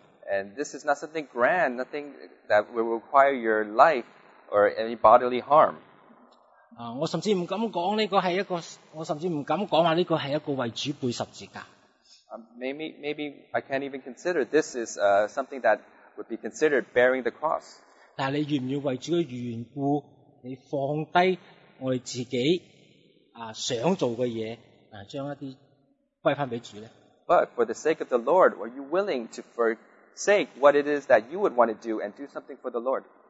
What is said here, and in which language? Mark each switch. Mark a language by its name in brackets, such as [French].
[English] And this is not something grand, nothing that will require your life or any bodily harm. [Cantonese] 我甚至唔敢讲呢个系一个，我甚至唔敢讲话呢个系一个为主背十字架。 [English] Maybe I can't even consider this is something that would be considered bearing the cross. [Cantonese] 但系你愿唔愿为主嘅缘故，你放低我哋自己想做嘅嘢，将一啲归翻俾主咧 [English] ？But for the sake of the Lord, are you willing to forsake what it is that you would want to do and do something for the Lord?